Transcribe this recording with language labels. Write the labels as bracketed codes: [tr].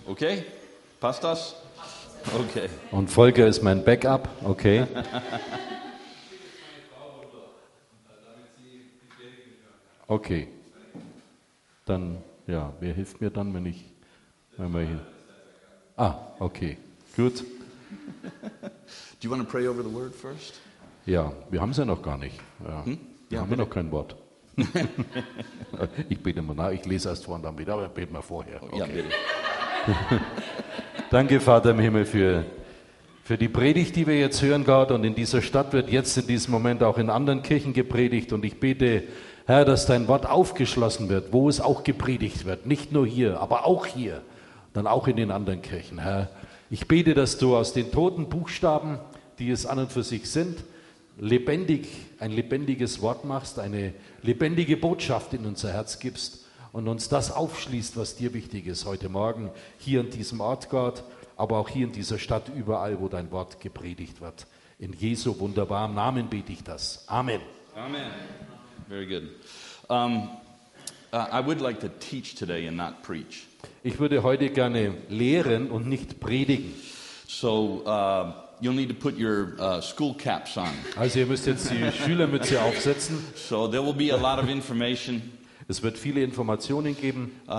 [de] Okay? Passt das? Okay. Und Volker ist mein Backup. Okay. Okay. Dann, ja, wer hilft mir dann, wenn ich... Wenn wir hier? Ah, okay. Gut. [en] Do you want to pray over the word first? [de] Ja, wir haben es ja noch gar nicht. Ja. Hm? Ja, haben wir noch kein Wort. Ich bete mal nach, ich lese erst vor und dann wieder, aber bete mal vorher. Okay. Ja, bitte. Danke, Vater im Himmel, für die Predigt, die wir jetzt hören, Gott. Und in dieser Stadt wird jetzt in diesem Moment auch in anderen Kirchen gepredigt. Und ich bete, Herr, dass dein Wort aufgeschlossen wird, wo es auch gepredigt wird. Nicht nur hier, aber auch hier, dann auch in den anderen Kirchen, Herr. Ich bete, dass du aus den toten Buchstaben, die es an und für sich sind, lebendig, ein lebendiges Wort machst, eine lebendige Botschaft in unser Herz gibst und uns das aufschließt, was dir wichtig ist heute Morgen, hier in diesem Ort, Gott, aber auch hier in dieser Stadt, überall, wo dein Wort gepredigt wird. In Jesu wunderbarem Namen bete ich das. Amen. [en] Amen. Very good. I would like to teach today and not preach. [de] Ich würde heute gerne lehren und nicht predigen. [en] So, you'll need to put your school caps on. [de] Also ihr müsst jetzt die Schülermütze aufsetzen. [en] So, there will be a lot of information. [de] Es wird viele Informationen geben.